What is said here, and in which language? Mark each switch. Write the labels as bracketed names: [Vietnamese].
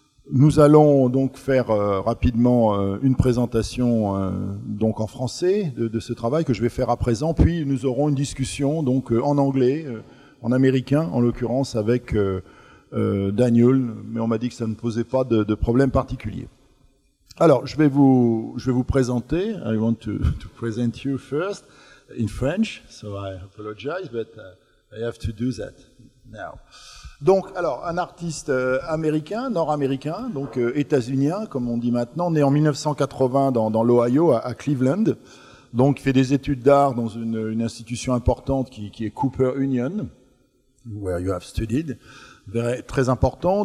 [French] Nous allons donc faire rapidement une présentation donc en français de ce travail que je vais faire à présent. Puis nous aurons une discussion donc en anglais, en américain en l'occurrence, avec Daniel. Mais on m'a dit que ça ne posait pas de problème particulier. Alors je vais vous présenter. [English] I want to present you first in French, so I apologize, but I have to do that now. [French] Donc, alors, un artiste américain, nord-américain, donc états-unien, comme on dit maintenant, né en 1980 dans l'Ohio, à Cleveland. Donc, il fait des études d'art dans une institution importante qui est Cooper Union, [English] where you have studied, [French] très important.